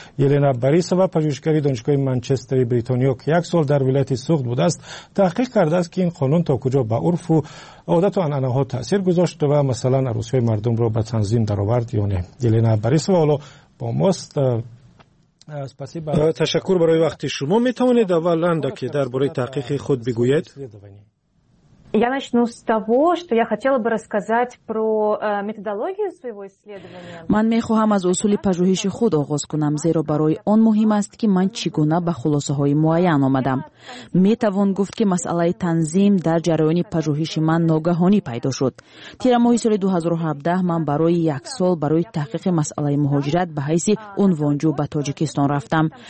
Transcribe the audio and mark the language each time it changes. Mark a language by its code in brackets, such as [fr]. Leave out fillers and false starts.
[fa] یلنا بریسا و پژوهشگر دانشگاه منچستر بریتانیا که یک سال در ولایت سوخت بوده است، تحقیق کرده است که این قانون تا کجا به عرف و عادت و انانه ها تاثیر گذاشت و مثلا عروسی های مردم را به تنظیم درآورد یا نه. یلنا بریسا حالا با ماست. تشکر برای وقت شما. می توانید اول اندکی در باره تحقیق خود بگویید؟ [ru] Я начну с того, что я хотела бы рассказать про методологию своего исследования. [tg] Ман мехоҳам аз усули пажуҳиши худ оғоз кунам, зеро барои он муҳим аст ки ман чӣ гуна ба хулосаҳои муайян омадам. Метавон гуфт ки масъалаи танзим дар ҷараёни пажуҳиши ман ногаҳонӣ пайдо шуд. Тира моҳи соли 2017 ман барои як сол барои таҳқиқи масъалаи муҳоҷират ба ҳайси унвонҷӯ ба Тоҷикистон рафтам.